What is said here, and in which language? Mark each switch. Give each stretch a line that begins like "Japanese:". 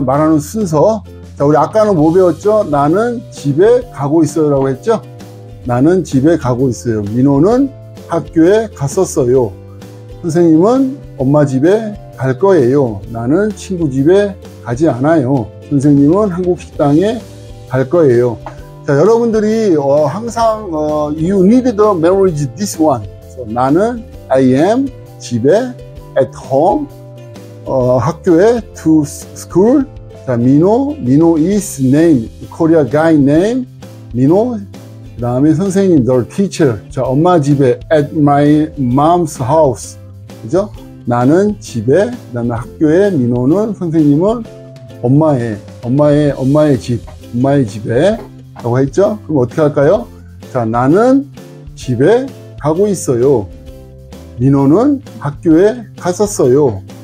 Korean: 말하는 순서. 자, 우리 아까는 뭐 배웠죠? 나는 집에 가고 있어요 라고 했죠? 나는 집에 가고 있어요. 민호는 학교에 갔었어요. 선생님은 엄마 집에 갈 거예요. 나는 친구 집에 가지 않아요. 선생님은 한국 식당에 갈 거예요.
English: 자, 여러분들이 항상 you need to memorize this one. So, 나는 I am 집에 at home 학교에 to school. 자, 민호 is name, Korea guy name, 민호, 그 다음에 선생님, the teacher. 자, 엄마 집에, at my mom's house.
Korean: 그죠? 나는 집에, 그 다음에 학교에, 민호는, 선생님은 엄마의 집, 엄마의 집에. 라고 했죠? 그럼 어떻게 할까요? 자, 나는 집에 가고 있어요. 민호는 학교에 갔었어요.